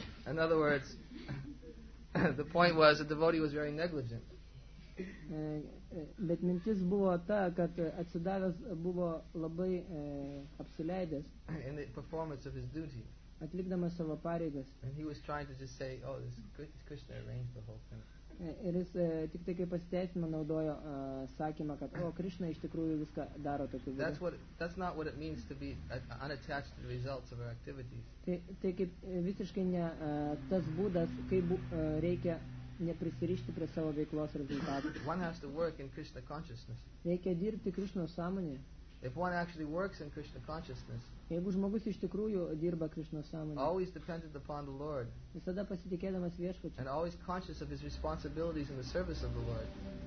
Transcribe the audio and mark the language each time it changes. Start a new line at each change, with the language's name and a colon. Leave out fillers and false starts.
English: In other words, the point was that the devotee was very negligent.
Lithuanian: Bet mintis buvo ta, kad atsidavęs buvo labai apsileidęs.
English: In the performance of his duty.
Lithuanian: Atlikdamas savo pareigas.
English: And he was trying to just say, oh, this is Krishna arranged the whole thing.
Lithuanian: Ir jis tik tai kaip pasiteisimą naudojo sakymą, kad, o, Krishna iš tikrųjų viską daro tokiu būdu.
English: That's not what it means to be unattached to the results of our activities.
Lithuanian: Tai kaip visiškai ne tas būdas, kaip reikia neprisirišti prie savo veiklos rezultatų.
English: One has to work in Krishna consciousness.
Lithuanian: Reikia dirbti Krishna sąmonėje.
English: If one actually works in Krishna consciousness.
Lithuanian: Jeigu žmogus iš tikrųjų dirba Krishna sąmonėje.
English: Always dependent upon the Lord.
Lithuanian: Visada pasitikėdamas viešpačiu.
English: And always conscious of his responsibilities in the service of the Lord.